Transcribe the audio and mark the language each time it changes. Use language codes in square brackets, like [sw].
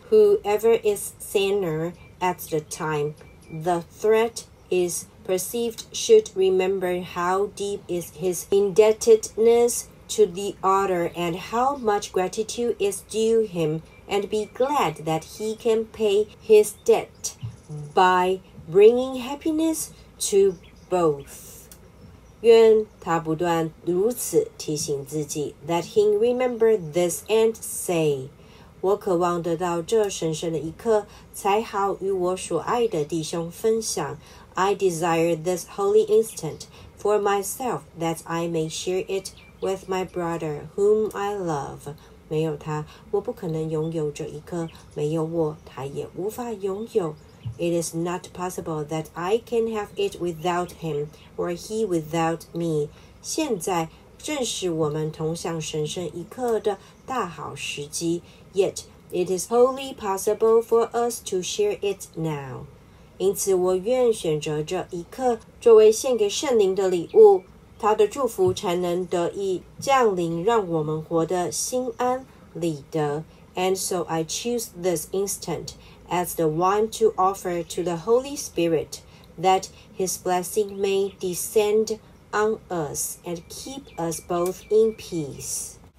[en] Whoever is sinner at the time the threat is perceived should remember how deep is his indebtedness to the other and how much gratitude is due him and be glad that he can pay his debtby bringing happiness to both. [zh] 愿他不断如此提醒自己， [en] let him remember this and say, [zh] 我渴望得到这神圣的一刻，才好与我所爱的弟兄分享。 [en] I desire this holy instant for myself, that I may share it with my brother whom I love. [zh] 没有他，我不可能拥有这一刻，没有我，他也无法拥有。 [en] It is not possible that I can have it without him, or he without me. [zh] 现在正是我们同享神圣一刻的大好时机。 [en] Yet, it is wholly possible for us to share it now. [zh] 因此我愿选择这一刻作为献给圣灵的礼物，他的祝福才能得以降临，让我们活得心安理得。 [en] And so I choose this instant. As the one to offer to the Holy Spirit, that His blessing may descend on us and keep us both in peace.